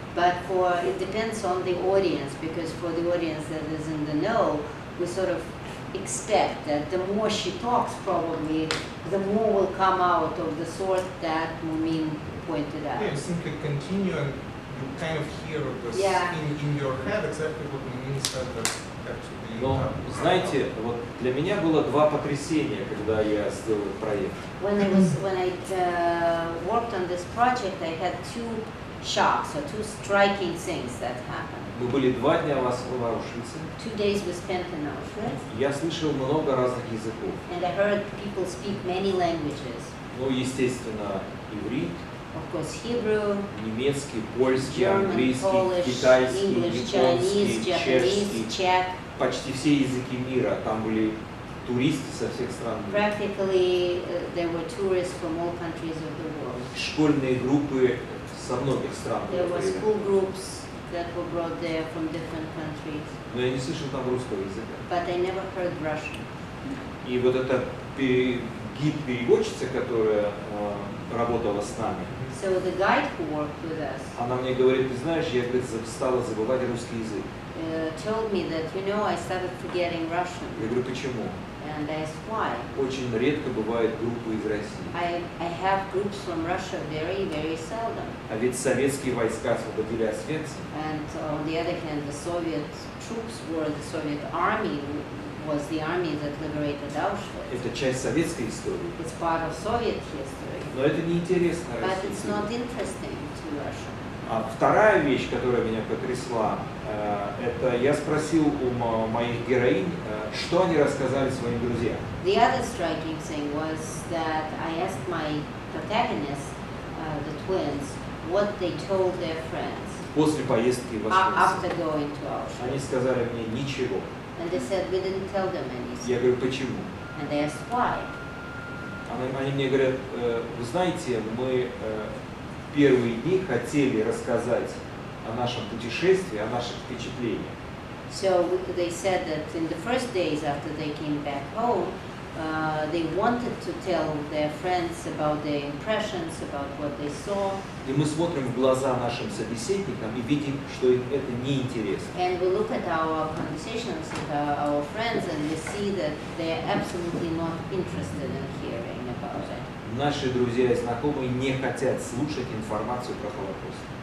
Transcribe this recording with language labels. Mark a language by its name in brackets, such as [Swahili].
[English] But for, it depends on the audience, because for the audience that is in the know, we sort of expect that the more she talks, probably, the more will come out of the sort that Mumin pointed out. Yeah, simply continue and you kind of hear this in your head, exactly what Mumin said, that actually... [Russian] Но, знаете, вот для меня было два потрясения, когда я сделал проект. [English] When I worked on this project, I had two shocks, or two striking things that happened. [Russian] Мы были два дня в Аушвице. [English] 2 days we spent in Auschwitz. [Russian] Я слышал много разных языков. [English] And I heard people speak many languages. [Russian] Ну, естественно, иврит. [English] Of course, Hebrew. [Russian] Немецкий, польский, [English] German, [Russian] английский, [English] Polish, [Russian] китайский, [English] English, [Russian] японский, [English] Chinese, [Russian] чешский, [English] Japanese, Czech. [Russian] Почти все языки мира. Там были туристы со всех стран. [English] Practically, there were tourists from all countries of the world. [Russian] Школьные группы со многих стран. [English] There were school groups that were brought there from different countries. [Russian] Но я не слышал там русского языка. [English] But I never heard Russian. [Russian] И вот эта гид-переводчица, которая работала с нами. [English] So the guide who worked with us. [Russian] Она мне говорит, ты знаешь, я стала забывать русский язык. [English] Told me that, you know, I started forgetting Russian. [Russian] Я говорю, почему? [English] And I asked why. [Russian] Очень редко бывают группы из России. [English] I have groups from Russia very, very seldom. [Russian] А ведь советские войска освободили Освенцим. [English] And on the other hand, the Soviet troops were the Soviet army was the army that liberated Auschwitz. [Russian] Это часть советской истории. [English] It's part of Soviet history. [Russian] Но это не интересно. [English] But [Russian] России. [English] It's not interesting to Russia. [Russian] А вторая вещь, которая меня потрясла, это я спросил у моих героинь, что они рассказали своим друзьям. [English] The other striking thing was that I asked my protagonists, the twins, what they told their friends. [Russian] После поездки в Auschwitz. [English] After going to Auschwitz. [Russian] Они сказали мне ничего. [English] And they said we didn't tell them anything. [Russian] Я говорю, почему? [English] And they asked why. [Russian] Они мне говорят, вы знаете, мы в первые дни хотели рассказать о нашем путешествии, о наших впечатлениях. [English] So they said that in the first days after they came back home, they wanted to tell their friends about their impressions, about what they saw. [Russian] И мы смотрим в глаза нашим собеседникам и видим, что им это не интересно. [English] And we look at our conversations with our friends and we see that they are absolutely not interested in hearing. [Russian] Наши друзья и знакомые не хотят слушать информацию про Холокост.